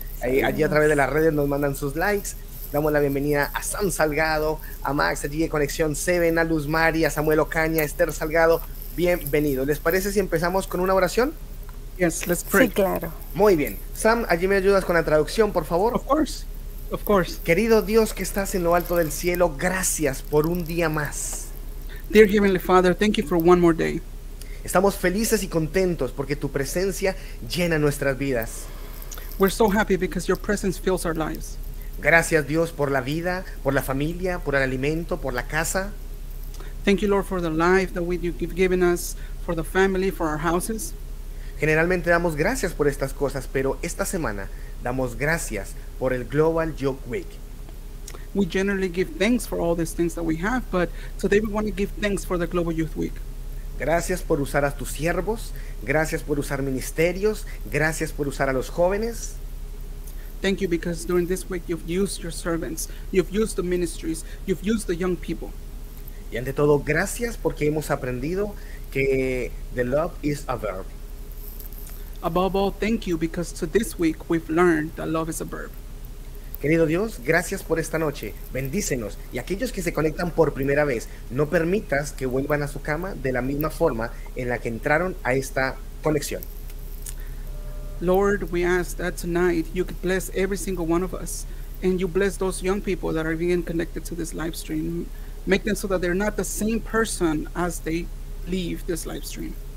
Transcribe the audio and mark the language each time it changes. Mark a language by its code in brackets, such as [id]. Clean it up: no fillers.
[es] Allí a través de las redes nos mandan sus likes. Damos la bienvenida a Sam Salgado, a Max, allí de Conexión Seven, a Luz María, a Samuel Ocaña, a Esther Salgado. Bienvenido. ¿Les parece si empezamos con una oración? [en] Yes, let's pray. [es] Sí, claro. Muy bien. Sam, allí me ayudas con la traducción, por favor. [en] Of course. Of course. [es] Querido Dios que estás en lo alto del cielo, gracias por un día más. [en] Dear Heavenly Father, thank you for one more day. [es] Estamos felices y contentos porque tu presencia llena nuestras vidas. [en] We're so happy because your presence fills our lives. [es] Gracias, Dios, por la vida, por la familia, por el alimento, por la casa. [en] Thank you, Lord, for the life that you've given us, for the family, for our houses. [es] Generalmente damos gracias por estas cosas, pero esta semana damos gracias por el Global Youth Week. [en] We generally give thanks for all these things that we have, but today we want to give thanks for the Global Youth Week. [es] Gracias por usar a tus siervos, gracias por usar ministerios, gracias por usar a los jóvenes. [en] Thank you because during this week you've used your servants, you've used the ministries, you've used the young people. [es] Y ante todo, gracias porque hemos aprendido que [en] the love is a verb. Above all, thank you because to this week we've learned that love is a verb. [es] Querido Dios, gracias por esta noche. Bendícenos. Y aquellos que se conectan por primera vez, no permitas que vuelvan a su cama de la misma forma en la que entraron a esta conexión. [en] Lord, we ask that tonight you could bless every single one of us and you bless those young people that are being connected to this live stream. Make them so that they're not the same person as they leave this live stream.